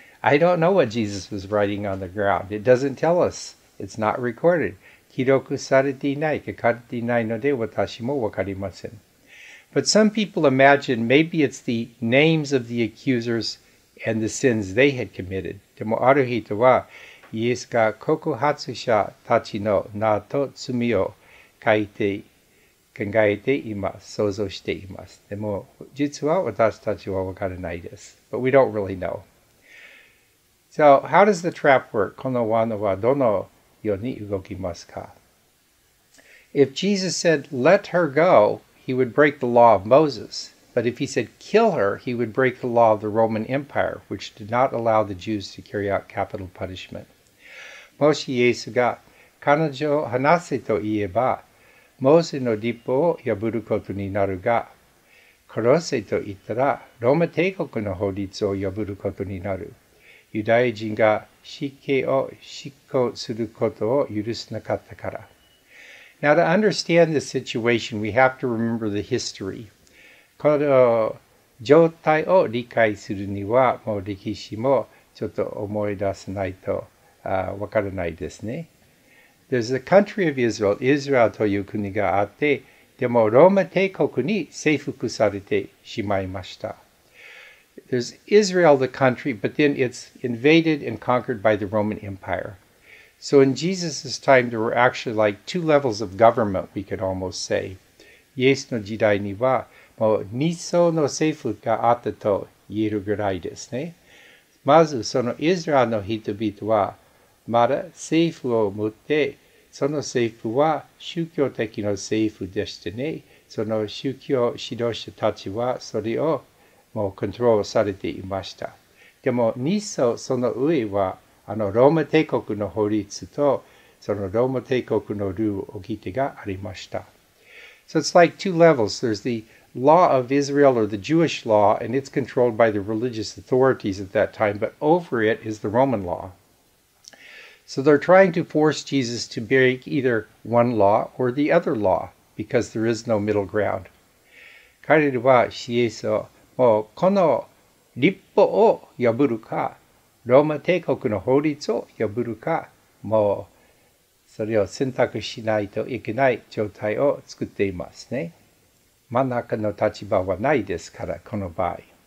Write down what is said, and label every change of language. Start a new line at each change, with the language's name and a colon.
English: I don't know what Jesus was writing on the ground. It doesn't tell us. It's not recorded.
Japanese: 記録されていない、書かれていないので私もわかりません。
English: But some people imagine maybe it's the names of the accusers and the sins they had committed.
Japanese: でもある人は、イエスが告発者たちの名と罪を書いて考えています。想像しています。でも、実は私たちは分からないです。
English: But we don't really know. So, how does the trap work?
Japanese: この罠はどのように動きますか?
English: If Jesus said, let her go, he would break the law of Moses. But if he said, kill her, he would break the law of the Roman Empire, which did not allow the Jews to carry out capital punishment.
Japanese: もしイエスが彼女を放せと言えば、モーセの律法を破ることになるが、殺せと言ったらローマ帝国の法律を破ることになる。ユダヤ人が死刑を執行することを許せなかったから。
English: Now to understand this situation, we have to remember the history.
Japanese: この状態を理解するには、もう歴史もちょっと思い出さないとわからないですね。
English: There's a country of Israel,
Japanese: Israel という国があって、でもローマ帝国に征服されてしまいました。
English: There's Israel, the country, but then it's invaded and conquered by the Roman Empire. So in Jesus' time, there were actually like two levels of government, we could almost say.
Japanese: イエスの時代にはもう二層の政府があったと言えるぐらいですね。まずそのイスラエルの人々はまだ政府を持って、その政府は宗教的な政府でしてね。その宗教指導者たちはそれをもうコントロールされていました。でも二層その上はローマ帝国の法律とそのローマ帝国のルール掟がありました。
English: So it's like two levels. There's the law of Israel or the Jewish law, and it's controlled by the religious authorities at that time, but over it is the Roman law. So they're trying to force Jesus to break either one law or the other law, because there is no middle ground.
Japanese: 彼は死刑をもうこの立法を破るか、ローマ帝国の法律を破るか、もうそれを選択しないといけない状態を作っていますね。真ん中の立場はないですから、この場合。